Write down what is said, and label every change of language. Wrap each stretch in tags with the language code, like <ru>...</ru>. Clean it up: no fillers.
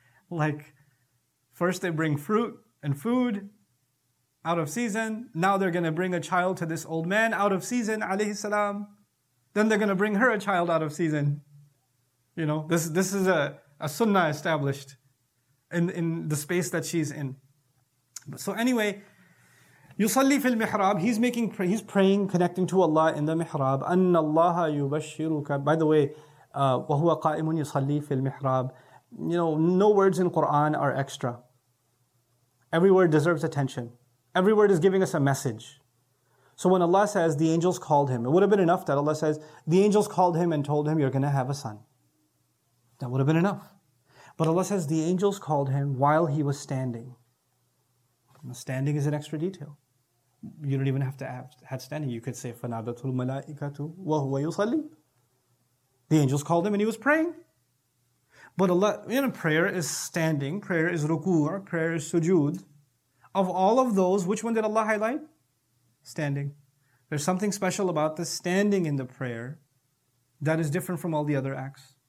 <en>Like, first they bring fruit and food out of season. Now they're going to bring a child to this old man out of season, alayhi salam. Then they're going to bring her a child out of season. You know, this is a sunnah established in the space that she's in. So anyway,</en> <ar>يصلي في المحراب.</ar> <en>He's praying, connecting to Allah in the mihrab.</en> <ar>أَنَّ اللَّهَ يُبَشِّرُكَ.</ar> <en>By the way,</en> <ar>وَهُوَ قَائِمٌ يُصَلِّي فِي الْمِحْرَابِ.</ar> <en>You know, no words in Quran are extra. Every word deserves attention. Every word is giving us a message. So when Allah says, the angels called him, it would have been enough that Allah says, the angels called him and told him, you're going to have a son. That would have been enough. But Allah says, the angels called him while he was standing. Standing is an extra detail. You don't even have to have standing. You could say,</en> <ar>فَنَادَتُ الْمَلَائِكَةُ وَهُوَ يُصَلِّي.</ar> <en>The angels called him and he was praying. But Allah, you know, prayer is standing, prayer is ruku', prayer is sujood. Of all of those, which one did Allah highlight? Standing. There's something special about the standing in the prayer that is different from all the other acts.</en>